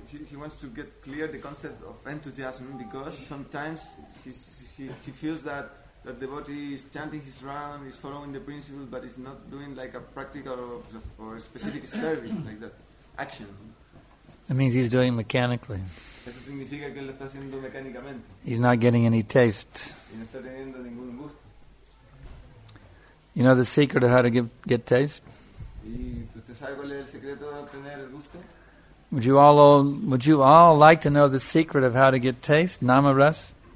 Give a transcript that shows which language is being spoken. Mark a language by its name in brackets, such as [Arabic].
[English] He wants to get clear the concept of enthusiasm, because sometimes he feels that the devotee is chanting his round, is following the principle, but is not doing like a practical or a specific service, like that action. That means he's doing mechanically. [Spanish] Eso significa que lo está haciendo mecánicamente. [English] He's not getting any taste. [Spanish] Y no está teniendo ningún gusto. [English] You know the secret of how to get taste? [Spanish] ¿Y usted sabe cuál es el secreto de obtener el gusto? [English] Would you all like to know the secret of how to get taste, nama ras?